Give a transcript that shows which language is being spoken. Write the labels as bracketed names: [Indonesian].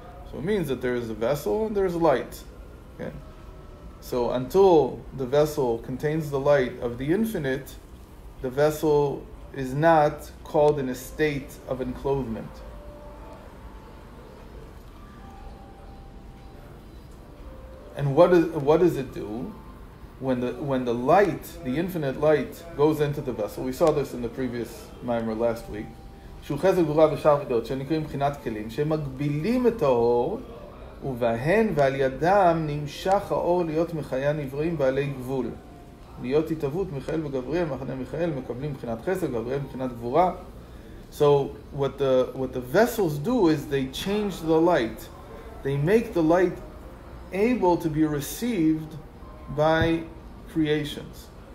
[English] So it means that there is a vessel and there is light. Okay. So until the vessel contains the light of the infinite, the vessel is not called in a state of enclosement. And what does it do when the light, the infinite light, goes into the vessel? We saw this in the previous Maimer last week. [Hebrew] שוחזק גבורה ושאר מידות שנקראים בחינת כלים שמגבילים את האור ובהן ועל ידם נמשך האור להיות מחיה נבראים בעלי גבול להיות התאבות מיכאל וגבריאל מחנה מיכאל מקבלים בחינת חסד גבריאל בחינת גבורה. [English] So what the vessels do is they change the light, they make the light able to be received by creations.